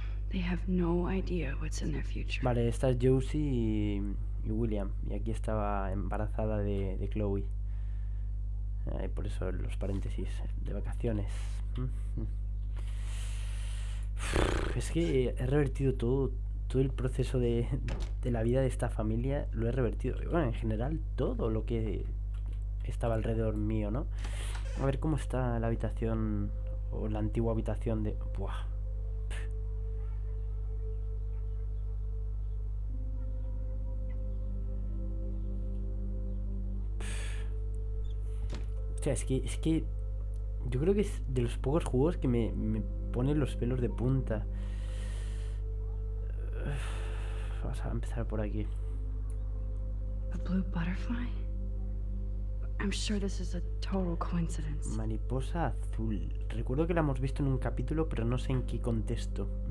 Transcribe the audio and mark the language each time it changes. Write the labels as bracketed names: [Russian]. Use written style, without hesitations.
[English] They have no idea what's in their future. [Spanish] Vale, esta es Josie y William, y aquí estaba embarazada de Chloe. Y por eso los paréntesis de vacaciones. Es que he revertido todo el proceso de la vida de esta familia, lo he revertido. Bueno, en general todo lo que estaba alrededor mío, ¿no? A ver cómo está la habitación o la antigua habitación de... Buah. O sea, es que yo creo que es de los pocos juegos que me ponen los pelos de punta. Vamos a empezar por aquí. [English] A blue butterfly? I'm sure this is a total coincidence. [Spanish] Mariposa azul. Recuerdo que la hemos visto en un capítulo, pero no sé en qué contexto.